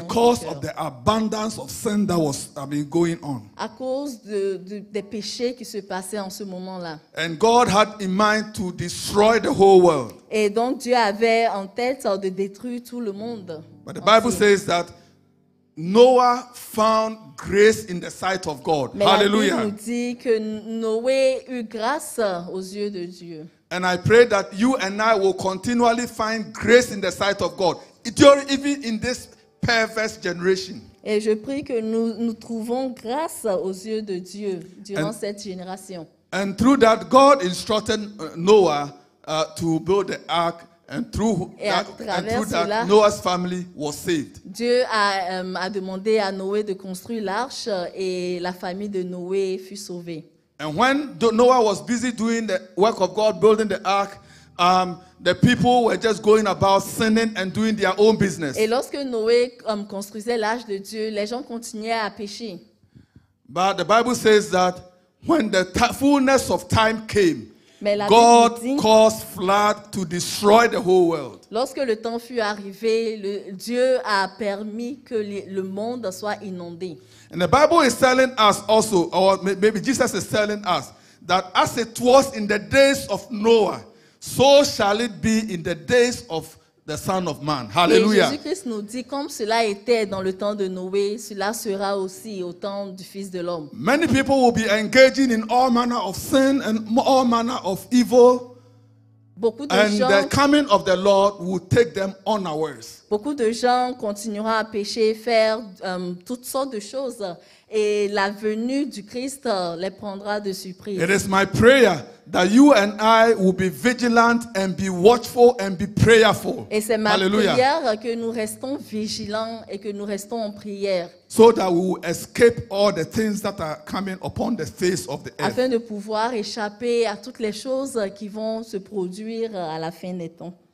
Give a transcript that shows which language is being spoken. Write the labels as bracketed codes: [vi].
[en] Because of the abundance of sin that was going on. [fr] À cause des péchés qui se passaient en ce moment-là. [en] And God had in mind to destroy the whole world. [fr] Et donc Dieu avait en tête de détruire tout le monde. [en] But the Bible says that Noah found grace in the sight of God. [fr] Mais hallelujah. La Bible nous dit que Noé eut grâce aux yeux de Dieu. [en] And I pray that you and I will continually find grace in the sight of God, even in this perverse generation. [fr] Et je prie que nous trouvons grâce aux yeux de Dieu durant cette génération. [en] And through that, God instructed Noah to build the ark. And through that, Noah's family was saved. [fr] Dieu a demandé à Noé de construire l'arche et la famille de Noé fut sauvée. [en] And when Noah was busy doing the work of God, building the ark, the people were just going about sinning and doing their own business. [fr] Et lorsque Noé construisait l'arche de Dieu, les gens continuaient à pécher. [en] But the Bible says that when the fullness of time came, God caused flood to destroy the whole world. [fr] Lorsque le temps fut arrivé, Dieu a permis que le monde soit inondé. [en] And the Bible is telling us also, or maybe Jesus is telling us, that as it was in the days of Noah, so shall it be in the days of the Son of Man. Hallelujah. [fr] Jésus-Christ nous dit, comme cela était dans le temps de Noé, cela sera aussi au temps du Fils de l'homme. [en] Many people will be engaging in all manner of sin and all manner of evil. And the coming of the Lord will take them unawares. [fr] Beaucoup de gens continueront à pécher, faire toutes sortes de choses, et la venue du Christ les prendra de surprise. [en] It is my prayer that you and I will be vigilant and be watchful and be prayerful. [fr] Et c'est ma prière que nous restons vigilants et que nous restons en prière. [en] So that we will escape all the things that are coming upon the face of the earth. [fr] Afin de pouvoir échapper à toutes les choses qui vont se produire à la fin des temps.